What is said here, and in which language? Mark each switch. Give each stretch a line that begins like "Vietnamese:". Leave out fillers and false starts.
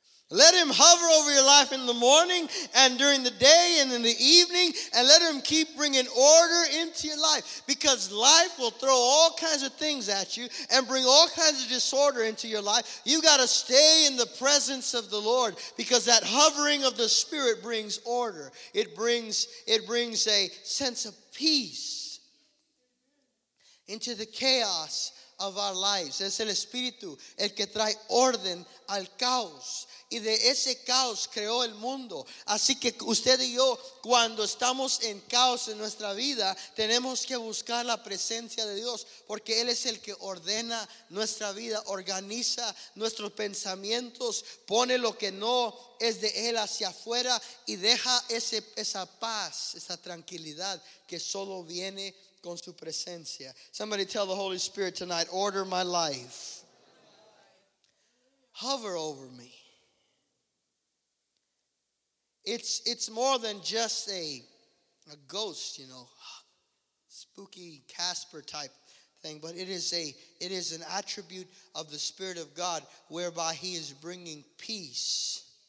English: Let him hover over your life in the morning and during the day and in the evening, and let him keep bringing order into your life, because life will throw all kinds of things at you and bring all kinds of disorder into your life. You got to stay in the presence of the Lord, because that hovering of the Spirit brings order. It brings a sense of peace into the chaos of our lives.
Spanish: Es el Espíritu el que trae orden al caos. Y de ese caos creó el mundo. Así que usted y yo, cuando estamos en caos en nuestra vida, tenemos que buscar la presencia de Dios, porque Él es el que ordena nuestra vida, organiza nuestros pensamientos, pone lo que no es de Él hacia afuera y deja esa paz, esa tranquilidad que solo viene con su presencia.
English: Somebody tell the Holy Spirit tonight, order my life. Hover over me. It's more than just a ghost, you know, spooky Casper type thing, but it is an attribute of the Spirit of God, whereby he is bringing peace.